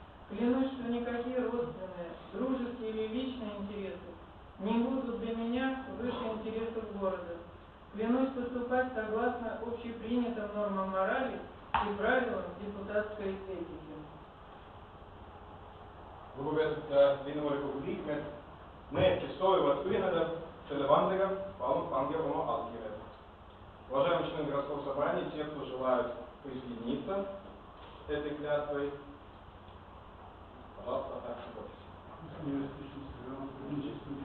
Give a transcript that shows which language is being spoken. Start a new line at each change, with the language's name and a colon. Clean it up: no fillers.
Russian: Клянусь, что никакие родственные, дружеские или личные интересы не будут для меня выше интересов города. Клянусь поступать согласно общепринятым нормам морали и правилам депутатской этики.
Estonian: Lugupeetud linnavolikogu liikmed, need, kes soovivad ühineda selle vandega, palun pange oma allkirja.
Russian: Уважаемые члены городского собрания, те, кто желают присоединиться этой клятвой, пожалуйста, также подпишитесь.